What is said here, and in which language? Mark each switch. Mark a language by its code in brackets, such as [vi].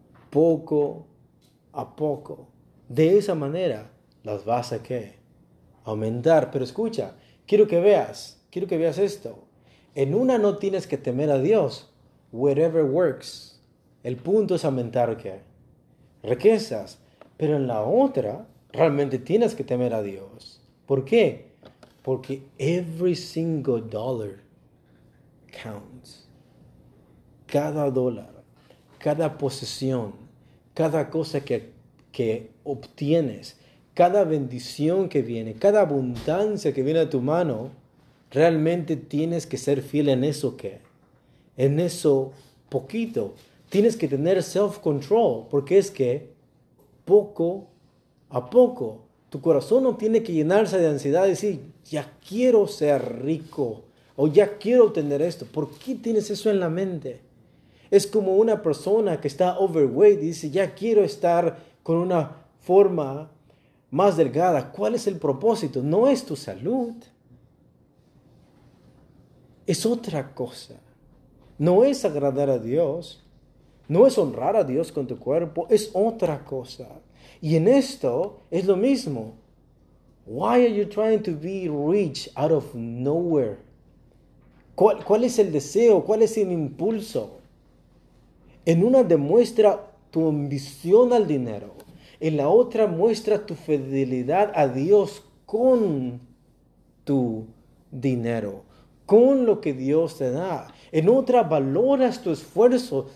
[es] Poco a poco. De esa manera las vas a que. Aumentar. Pero escucha, quiero que veas esto. En una no tienes que temer a Dios. [en] Whatever works. [es] El punto es aumentar que. Riquezas. Pero en la otra, realmente tienes que temer a Dios. ¿Por qué? Porque [en] every single dollar counts. [es] Cada dólar, cada posesión, cada cosa que obtienes, cada bendición que viene, cada abundancia que viene a tu mano, realmente tienes que ser fiel en eso que, en eso poquito. Tienes que tener self-control, porque es que poco a poco, tu corazón no tiene que llenarse de ansiedad y decir, ya quiero ser rico o ya quiero tener esto. ¿Por qué tienes eso en la mente? Es como una persona que está overweight y dice, ya quiero estar con una forma más delgada. ¿Cuál es el propósito? No es tu salud. Es otra cosa. No es agradar a Dios. No es honrar a Dios con tu cuerpo. Es otra cosa. Y en esto es lo mismo. [en] Why are you trying to be rich out of nowhere? [es] ¿Cuál es el deseo? ¿Cuál es el impulso? En una demuestra tu ambición al dinero. En la otra muestra tu fidelidad a Dios con tu dinero. Con lo que Dios te da. En otra valoras tu esfuerzo.